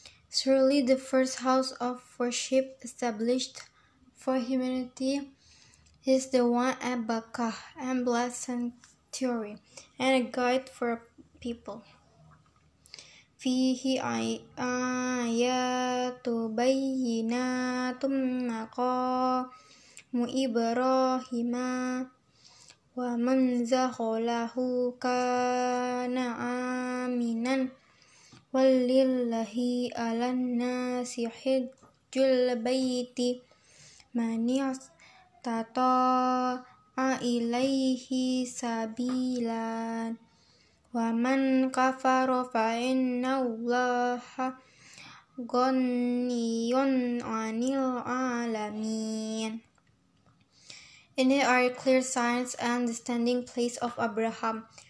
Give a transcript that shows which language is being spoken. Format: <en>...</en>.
<en>Surely the first house of worship established for humanity is the one at Bakkah, a blessed sanctuary and a guide for people.</en> <ar>فيه آيات بينات مقام إبراهيم ومن دخله كان آمنا ولله على الناس حج البيت من استطاع إليه سبيلا وَمَنْ كَفَرَ فَإِنَّ اللَّهَ غَنِيٌّ عَنِ الْعَالَمِينَ.</ar> <en>In it are clear signs and the standing place of Abraham.</en>